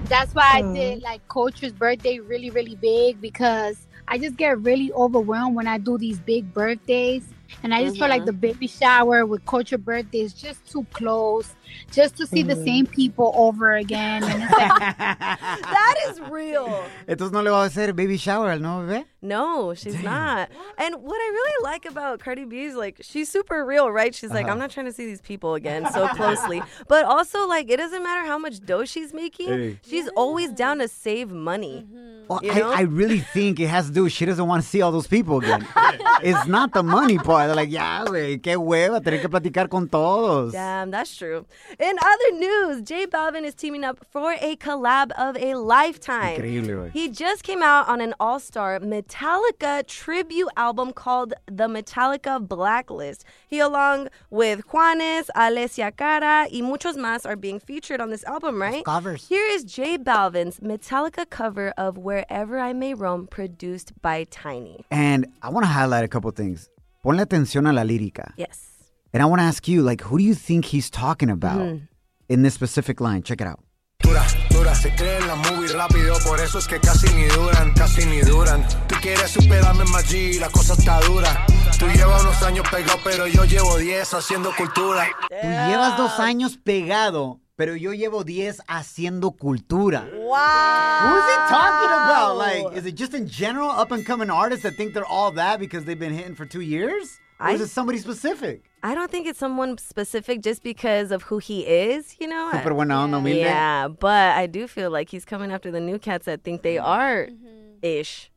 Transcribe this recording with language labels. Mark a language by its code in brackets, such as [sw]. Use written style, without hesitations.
[en] That's why I did like culture's birthday really, really big, because I just get really overwhelmed when I do these big birthdays. And I just feel like the baby shower with culture birthday is just too close. Just to see the same people over again. And it's like, that is real. [es] Entonces no le va a hacer baby shower, ¿no, bebé? [en] No, she's not. And what I really like about Cardi B is, like, she's super real, right? She's like, I'm not trying to see these people again so closely. But also, like, it doesn't matter how much dough she's making. Hey. She's always down to save money. Well, you know? I really think it has to do with she doesn't want to see all those people again. It's not the money part. They're like, yeah, [es] güey, qué hueva, tener que platicar con todos. [en] Damn, that's true. In other news, J Balvin is teaming up for a collab of a lifetime. [es] Increíble, güey. [en] He just came out on an all-star Metallica tribute album called The Metallica Blacklist. He, along with Juanes, Alessia Cara, [es] y muchos más, [en] are being featured on this album, right? Those covers. Here is J Balvin's Metallica cover of Wherever I May Roam, produced by Tiny. And I want to highlight a couple things. [es] Ponle atención a la lírica. [en] Yes. And I want to ask you, like, who do you think he's talking about in this specific line? Check it out. [es] Se cree en la movie rápido, por eso es que casi ni duran, casi ni duran. Tú quieres superarme, Maggi, la cosa está dura. Tú llevas unos años pegado, pero yo llevo 10 haciendo cultura. Tú llevas dos años pegado, pero yo llevo 10 haciendo cultura. [en] Wow. Who's he talking about? Like, is it just in general up-and-coming artists that think they're all that because they've been hitting for 2 years? Or is it somebody specific? I don't think it's someone specific just because of who he is, you know? [es] Super buena onda, humilde. [en] Yeah, but I do feel like he's coming after the new cats that think they are-ish.